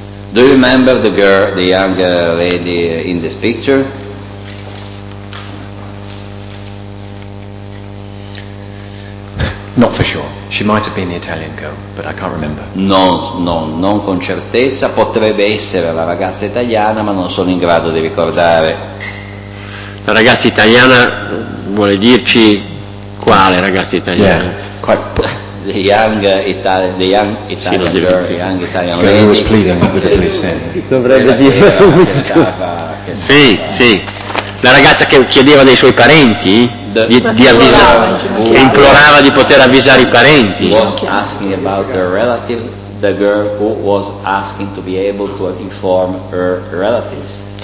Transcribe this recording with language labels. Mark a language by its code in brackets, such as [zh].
[en] Do you remember the girl, the young lady in this picture? Not for sure. She might have been the Italian girl, but I can't remember. [it] Non con certezza. Potrebbe essere la ragazza italiana, ma non sono in grado di ricordare. La ragazza italiana vuole dirci quale ragazza italiana? [en] Yeah, quite. The young Italian girl. Who was pleading with the police? [it] Dovrebbe dire. Sì, sì. La ragazza che chiedeva dei suoi parenti di avvisare, che implorava di poter avvisare i parenti. [en] Was asking about her relatives, the girl who was asking to be able to inform her relatives.